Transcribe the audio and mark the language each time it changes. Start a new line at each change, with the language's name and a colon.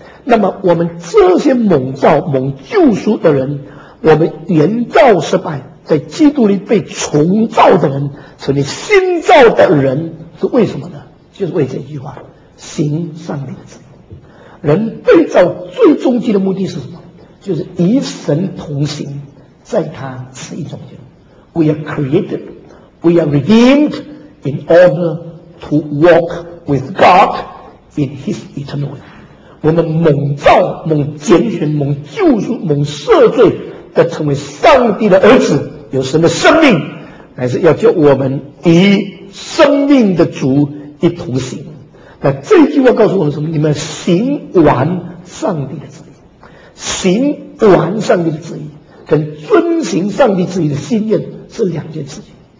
Chinese: 那么我们这些蒙召蒙救赎的人，我们原造失败在基督里被重造的人，成为新造的人，是为什么呢？就是为这句话，行上帝的旨意。人被造最终极的目的是什么？就是与神同行，在他旨意中间。
English: We are createdWe are redeemed in order to walk with God in His eternal way.
Chinese: 我们蒙召、蒙拣选、蒙救赎、蒙赦罪的成为上帝的儿子，有神的生命，乃是要叫我们与生命的主一同行。那这句话告诉我们什么？你们行完上帝的旨意，行完上帝的旨意，跟遵行上帝旨意的心愿是两件事情。